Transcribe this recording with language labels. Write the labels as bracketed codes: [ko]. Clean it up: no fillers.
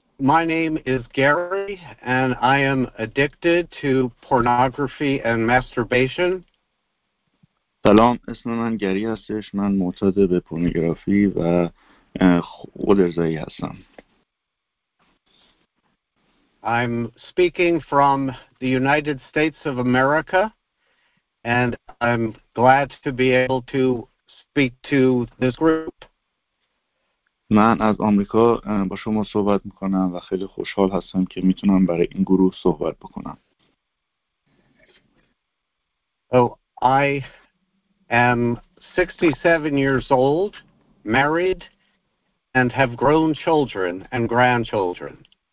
[en] My name is Gary, and I am addicted to pornography and masturbation. [fa] سلام، اسم من گری هستش. من معتاد به پورنوگرافی و خودارضایی هستم. [en] I'm speaking from the United States of America, and I'm glad to be able to speak to this group. [fa] من از آمریکا با شما صحبت میکنم و خیلی خوشحال هستم که میتونم برای این گروه صحبت بکنم. [en] Oh, I am 67 years old, married, and have grown children and grandchildren.